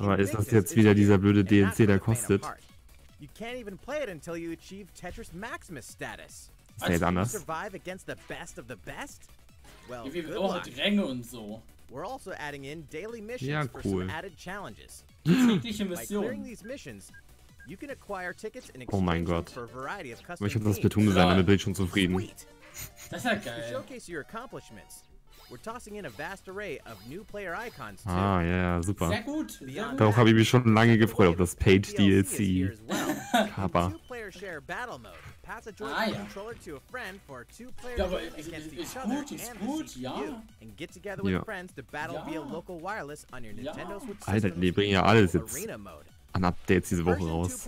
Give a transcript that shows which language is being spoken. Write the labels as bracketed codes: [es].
[de] Aber ist das jetzt wieder dieser blöde DLC, der kostet? [en] You can't even play it until you achieve Tetris Maximus status. [de] Was? [en] Can you survive against the best of the best? [de] Well, wir haben auch Ränge und so. [en] We're also adding in daily missions for some added challenges. [de] Tägliche Missionen. [en] You can acquire tickets in exchange for a variety of custom games. [de] Ich hab das Beton gesehen, damit bin ich schon zufrieden. Das ist ja geil. [en] Showcase your accomplishments. We're tossing in a vast array of new player icons too. Ah, ja, yeah, super. [de] Sehr gut. Darauf habe ich mich schon lange gefreut, auf das Paid DLC. [en] Kappa. Player share battle mode. Pass a joystick controller to a friend for two players against each other. And get together with friends to battle via local wireless on your Nintendo Switch. [de] Alter, die bringen ja alles jetzt an Updates diese Woche raus.